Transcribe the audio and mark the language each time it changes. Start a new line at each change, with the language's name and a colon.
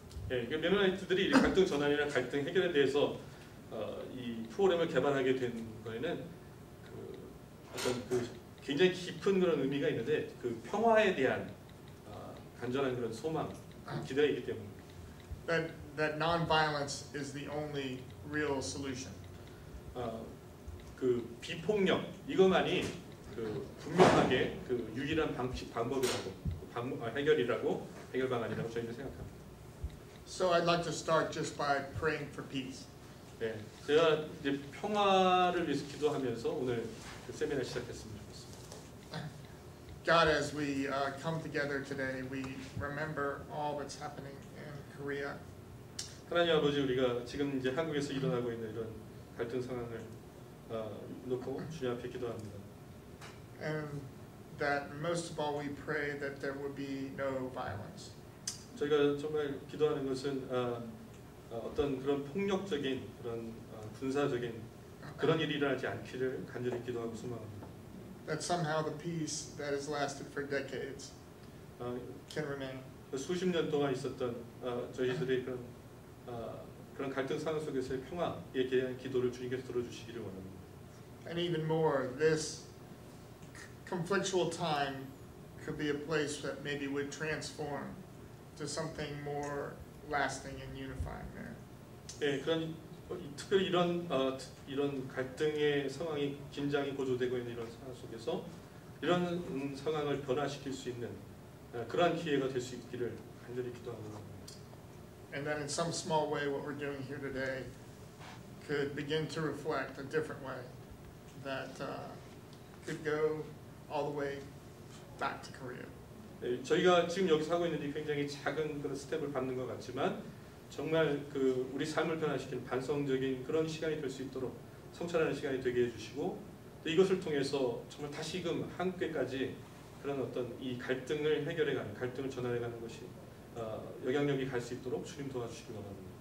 Korean: 예, 메노나이트들이 갈등 전환이나 갈등 해결에 대해서 이 프로그램을 개발하게 된 거에는 그 어떤 그 굉장히 깊은 그런 의미가 있는데 그 평화에 대한 간절한 그런 소망, 기대이기 때문에.
English: That non-violence is the only real solution.
Korean: 그 비폭력 이것만이 그 분명하게 그 유일한 방법이라고 해결이라고 해결 방안이라고 저희는 생각합니다.
English: So I'd like to start just by praying for peace.
Korean: 네, 제가 이제 평화를 위해서 기도하면서 오늘 그 세미나 시작했습니다.
English: God, as we come together today, we remember all that's happening in Korea.
Korean: 하나님 아버지, 우리가 지금 이제 한국에서 일어나고 있는 이런 갈등 상황을 놓고 주님 앞에 기도합니다.
English: And that most of all, we pray that there will be no violence.
Korean: 저희가 정말 기도하는 것은 어떤 그런 폭력적인 그런 군사적인 그런 일이 일어나지 않기를 간절히 기도하고 소망합니다.
English: That somehow the peace that has lasted for decades can remain.
Korean: 수십 년 동안 있었던 저희들의 그런 갈등 상황 속에서의 평화에 대한 기도를 주님께서 들어주시기를 원합니다.
English: And even more, this conflictual time could be a place that maybe would transform to something more lasting and unifying there.
Korean: 예, 그런 특별히 이런 이런 갈등의 상황이 긴장이 고조되고 있는 이런 상황 속에서 이런 상황을 변화시킬 수 있는 그런 기회가 될 수 있기를 간절히 기도합니다.
English: And then in some small way what we're doing here today could begin to reflect a different way that could go all the way back to Korea.
Korean: 저희가 지금 여기서 하고 있는 게 굉장히 작은 그런 스텝을 밟는 것 같지만 정말 그 우리 삶을 변화시킨 반성적인 그런 시간이 될 수 있도록 성찰하는 시간이 되게 해주시고 또 이것을 통해서 정말 다시금 한국에까지 그런 어떤 이 갈등을 해결해가는 갈등을 전환해가는 것이 영향력이 갈 수 있도록 주님 도와주시길 바랍니다.